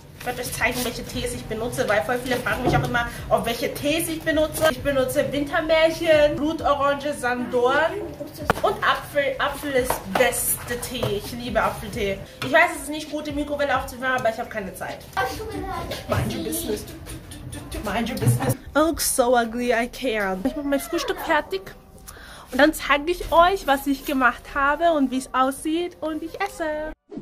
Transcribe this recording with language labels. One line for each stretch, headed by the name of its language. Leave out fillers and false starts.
German: Ich werde euch zeigen, welche Tees ich benutze, weil voll viele fragen mich auch immer, auf welche Tees ich benutze. Ich benutze Wintermärchen, Blutorange, Sandorn und Apfel. Apfel ist beste Tee. Ich liebe Apfeltee. Ich weiß, es ist nicht gut, die Mikrowelle aufzuwärmen, aber ich habe keine Zeit.
English: Mind your business. Mind your business. I look so ugly, I can't.
German: Ich mache mein Frühstück fertig. Und dann zeige ich euch, was ich gemacht habe und wie es aussieht und wie ich esse.